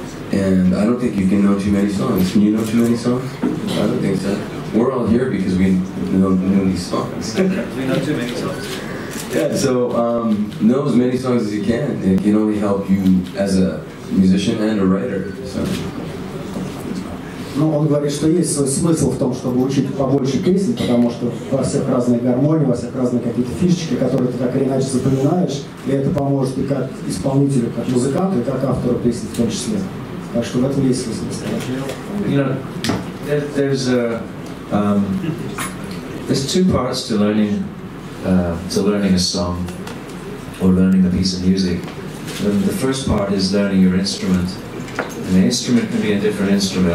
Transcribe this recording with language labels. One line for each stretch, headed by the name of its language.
English: And I don't think you can know too many songs. Can you know too many songs? I don't think so. We're all here because we know these songs. We know too many songs. Yeah, so know as many songs as you can. It can only help you as a musician and a writer. So.
Russian: Ну, он говорит, что есть свой смысл в том, чтобы учить побольше песен, потому что во всех разные гармонии, во всех разные какие-то фишечки, которые ты так или иначе запоминаешь, и это поможет и как исполнителю, как музыканту, и как автору песен в том числе. Так что в этом есть смысл.
English: You know, there's two parts to learning a song or learning a piece of music. The first part is learning your instrument. An instrument can be a different instrument.